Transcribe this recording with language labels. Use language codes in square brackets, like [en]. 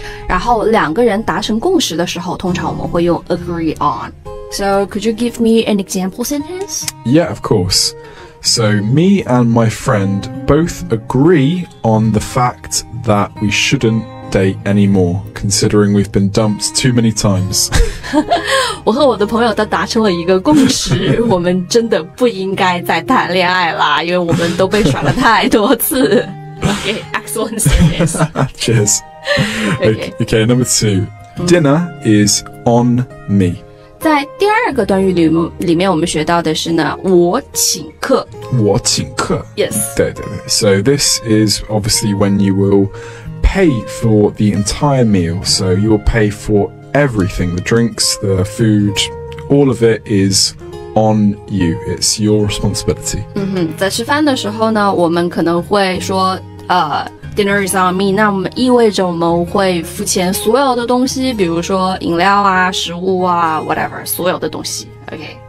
[zh] 然后两个人达成共识的时候通常我们会用 [en] agree on. So could you give me an example sentence? Yeah, of course. So me and my friend both agree on the fact that we shouldn't. Date anymore, considering we've been dumped too many times. [zh] 我和我的朋友都达成了一个共识，我们真的不应该再谈恋爱了，因为我们都被甩了太多次。 [en] Okay, excellent service. Cheers. Okay. Okay, number two. Dinner is on me. [zh] 在第二个短语里面，我们学到的是呢，我请客。我请客。 [en] Yes. [zh] 对对对。 [en] So this is obviously when you will. Pay for the entire meal, so you'll pay for everything, the drinks, the food, all of it is on you, it's your responsibility. [zh] 在吃饭的时候呢我们可能会说、 [en] dinner is on me, [zh] 那我们意味着我们会付钱所有的东西比如说饮料啊食物啊 whatever, 所有的东西 okay.